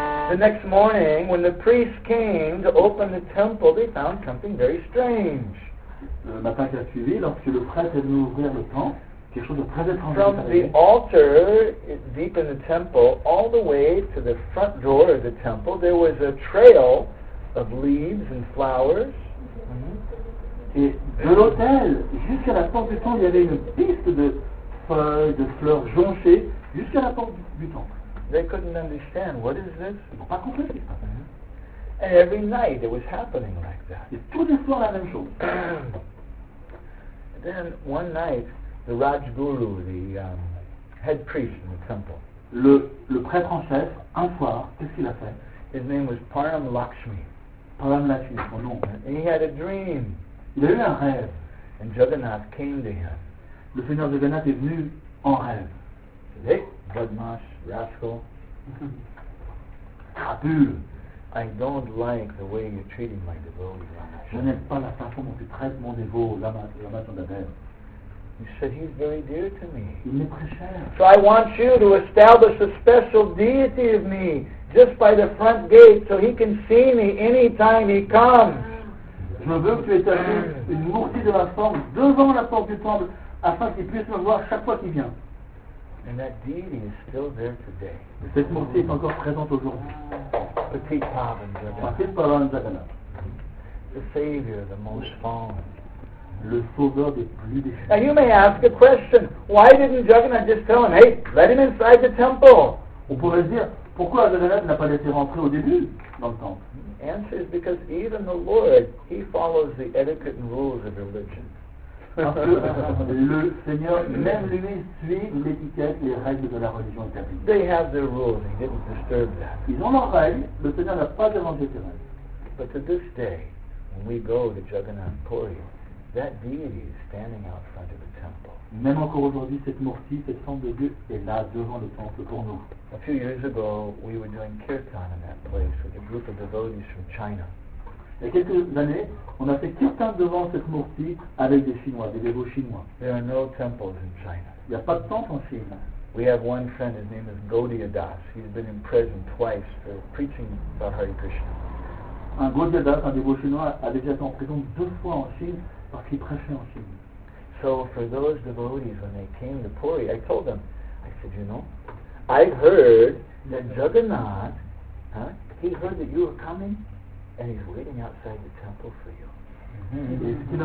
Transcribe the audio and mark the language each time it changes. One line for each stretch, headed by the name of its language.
English: The next morning, when the priests came to open the temple, they found something very strange.
French: Le matin qui a suivi, lorsque le prêtre est venu ouvrir le temple, quelque chose de très étrange s'est passé.
English: From the altar deep in the temple, all the way to the front door of the temple, there was a trail of leaves and flowers. Mm-hmm.
French: Et de l'autel jusqu'à la porte du temple, il y avait une piste de feuilles, de fleurs jonchées jusqu'à la porte du temple.
English: They couldn't understand what is this.
French: Ils n'ont pas compris. Mm-hmm.
English: And every night it was happening like that.
French: Et tous les soirs la même chose.
English: Then one night the Rajguru, the head priest in the temple.
French: Le prêtre en chef, un soir, qu'est-ce qu'il a fait?
English: His name was Param Lakshmi.
French: Param Lakshmi, son nom.
English: And he had a dream.
French: Il a eu un rêve.
English: And Jagannath came to him.
French: Le Seigneur Jagannath est venu en rêve. Il dit, Badmash, rascal. Crapule.
English: I don't like the way you're treating my devotee.
French: Je n'aime pas la façon dont tu traites mon dévot, Ramachandra Dev.
English: He said, he's very dear to me.
French: Il m'est très cher.
English: So I want you to establish a special deity of me just by the front gate so he can see me anytime he comes.
French: Je veux que tu établisses une mourtie de la forme devant la porte du temple afin qu'il puisse me voir chaque fois qu'il vient.
English: And that deity is still there today.
French: Cette mourtie est encore présente aujourd'hui. Petit Pavan Jagannath.
English: The savior, the most fond.
French: Le sauveur des plus déchets.
English: Now you may ask a question. Why didn't Jagannath just tell him, hey, let him inside the temple?
French: On pourrait se dire, pourquoi Jagannath n'a pas laissé rentrer au début dans le temple?
English: Answer is because even the Lord, he follows the etiquette and rules of religion.
French: Le Seigneur, même lui, suit l'étiquette, les règles de la religion établie.
English: They have their rules, he didn't disturb that.
French: Ils ont leurs règles, le Seigneur n'a pas dérangé ces règles.
English: But to this day, when we go to Jagannath Puri, that deity is standing out front of the temple.
French: Même encore aujourd'hui, cette mortie, cette forme de Dieu est là devant le temple pour nous.
English: A few years ago, we were doing kirtan in that place with a group of devotees from China.
French: Il y a quelques années, on a fait kirtan devant cette mortie avec des Chinois, des dévots chinois.
English: There are no temples in China.
French: Il n'y a pas de temple en Chine.
English: We have one friend, his name is Gaudiya Das. He's been in prison twice for preaching about Hare Krishna.
French: Un Gaudiya Das, un dévot chinois, a déjà été en prison deux fois en Chine parce qu'il prêchait en Chine.
English: So for those devotees, when they came to Puri, I told them, I said, you know, I heard that Jagannath, he heard that you were coming, and he's waiting outside the temple for you.